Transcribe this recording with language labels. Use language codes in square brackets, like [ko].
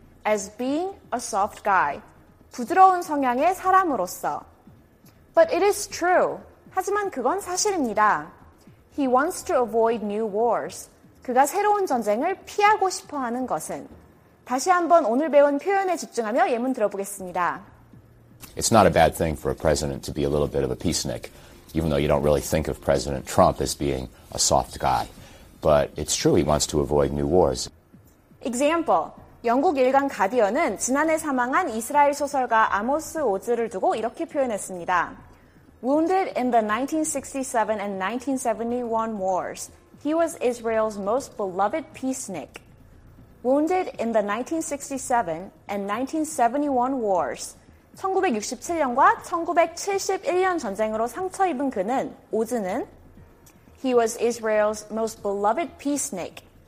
[en] As being a soft guy, [ko] 부드러운 성향의 사람으로서. [en] But it is true. [ko] 하지만 그건 사실입니다. [en] He wants to avoid new wars. [ko] 그가 새로운 전쟁을 피하고 싶어 하는 것은. 다시 한번 오늘 배운 표현에 집중하며 예문 들어보겠습니다. [en] It's not a bad thing for a president to be a little bit of a peacenik, even though you don't really think of President Trump as being a soft guy. But it's true he wants to avoid new wars. [ko] Example, 영국 일간 가디언은 지난해 사망한 이스라엘 소설가 아모스 오즈를 두고 이렇게 표현했습니다. [en] Wounded in the 1967 and 1971 wars, he was Israel's most beloved peacenik. Wounded in the 1967 and 1971 wars, [ko] 1967년과 1971년 전쟁으로 상처입은 그는, 오즈는 [en] He was Israel's most beloved peacenik.